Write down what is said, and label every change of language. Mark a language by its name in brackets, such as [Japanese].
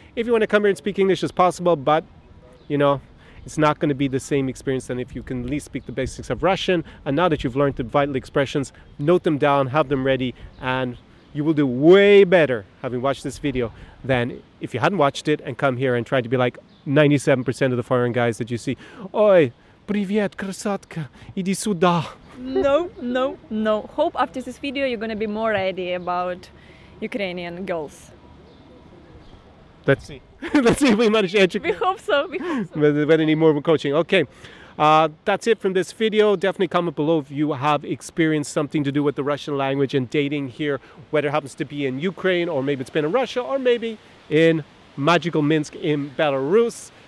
[English] If you want to come here and speak English as possible, but you know, it's not going to be the same experience than if you can at least speak the basics of Russian. And now that you've learned the vital expressions, note them down, have them ready, and you will do way better having watched this video than if you hadn't watched it and come here and tried to be like 97% of the foreign guys that you see. [Russian] Oi, привет, красотка, иди сюда. [English] No. Hope after this video you're going to be more ready about Ukrainian girls. Let's see if we manage to educate. We hope so. We need more coaching. Okay, that's it from this video. Definitely comment below if you have experienced something to do with the Russian language and dating here, whether it happens to be in Ukraine or maybe it's been in Russia or maybe in magical Minsk in Belarus.